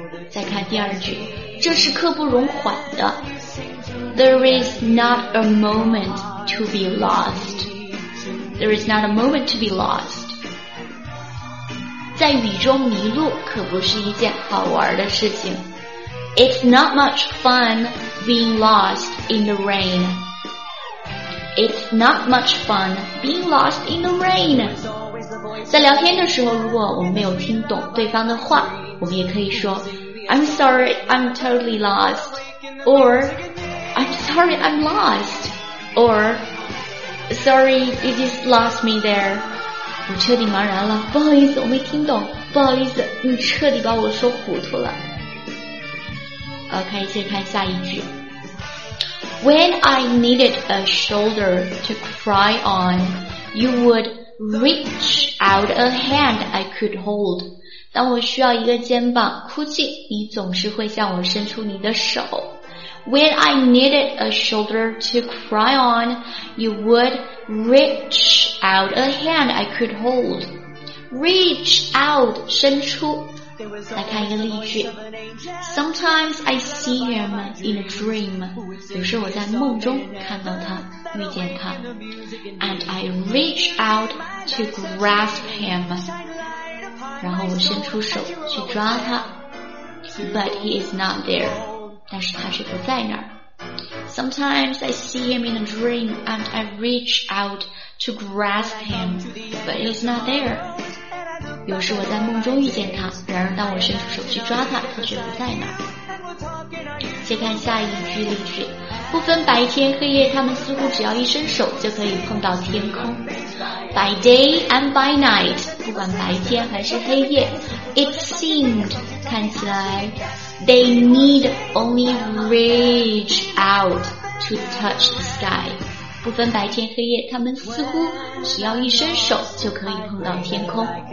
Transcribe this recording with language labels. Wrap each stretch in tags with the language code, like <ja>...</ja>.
<zh>再看第二句，这是刻不容缓的。</zh> <en>There is not a moment to be lost. There is not a moment to be lost.</en> <zh>在雨中迷路可不是一件好玩的事情。</zh> <en>It's not much fun being lost in the rain. It's not much fun being lost in the rain.</en> <zh>在聊天的时候，如果我们没有听懂对方的话，我们也可以说</zh> <en>I'm sorry, I'm totally lost. Or I'm sorry, I'm lost. OrSorry, you just lost me there.</en> <zh>我彻底茫然了，不好意思，我没听懂，不好意思，你彻底把我说糊涂了。 OK, 接着看下一句。</zh> <en>When I needed a shoulder to cry on, you would reach out a hand I could hold.</en> <zh>当我需要一个肩膀哭泣，你总是会向我伸出你的手。</zh> <en>When I needed a shoulder to cry on, you would reach out a hand I could hold.</en> <zh>Reach out, 伸出。来看一个例句。</zh> <en>Sometimes I see him in a dream.</en> <zh>有时我在梦中看到他，遇见他。</zh> <en>And I reach out to grasp him.</en> <zh>然后我伸出手去抓他。</zh> <en>But he is not there.</en> <zh>但是他却不在那儿。</zh> <en>Sometimes I see him in a dream and I reach out to grasp him, but he's not there.</en> <zh>有时我在梦中遇见他，然而当我伸出手去抓他，他却不在那儿。接看下一句例句，不分白天黑夜，他们似乎只要一伸手就可以碰到天空。</zh> <en>By day and by night,</en> <zh>不管白天还是黑夜，</zh> <en>it seemed,</en> <zh>看起来</zh> <en>They need only reach out to touch the sky.</en> <zh>不分白天黑夜，他们似乎只要一伸手就可以碰到天空。</zh>